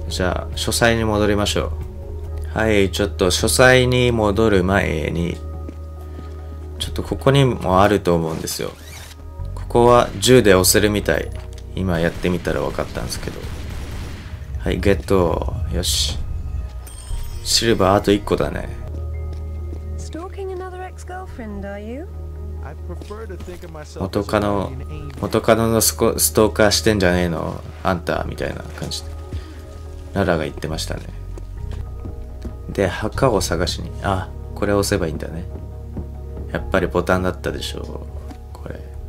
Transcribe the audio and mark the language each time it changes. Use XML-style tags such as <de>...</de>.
<ja>じゃあ書斎に戻りましょう。はい、ちょっと書斎に戻る前に、ちょっとここにもあると思うんですよ。ここは銃で押せるみたい、今やってみたら分かったんですけど。はい、ゲット、よし、シルバーあと1個だね。</ja> <en>Stalking another ex-girlfriend, are you? I prefer to think of myself as a guardian angel.</en> <ja>元カノのストーカーしてんじゃねえのあんたみたいな感じでララが言ってましたね。で、墓を探しに、あ、これ押せばいいんだね。やっぱりボタンだったでしょう、これ。</ja>